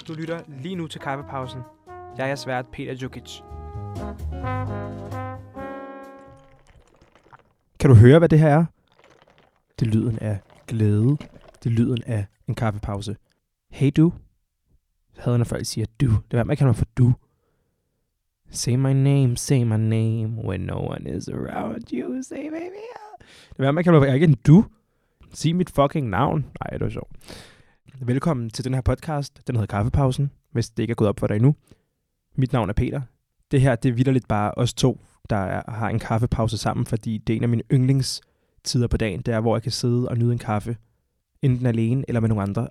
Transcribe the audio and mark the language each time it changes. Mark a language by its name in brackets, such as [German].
[Danish] Du lytter lige nu til kaffepausen. Jeg er svært Peter Djukic. Kan du høre, hvad det her er? Det er lyden af glæde. Det er lyden af en kaffepause. Hey du. Jeg hader, når folk siger du. Det er, hvad man kalder for du. [English] Say my name, when no one is around you, say baby. [Danish] Det er, hvad man kalder for, jeg er ikke en du. Sig mit fucking navn. Nej, det er sjovt. Velkommen til den her podcast. Den hedder Kaffepausen, hvis det ikke er gået op for dig endnu. Mit navn er Peter. Det her, det er vitterligt bare os to, der har en kaffepause sammen, fordi det er en af mine yndlingstider på dagen. Det er, hvor jeg kan sidde og nyde en kaffe, enten alene eller med nogle andre.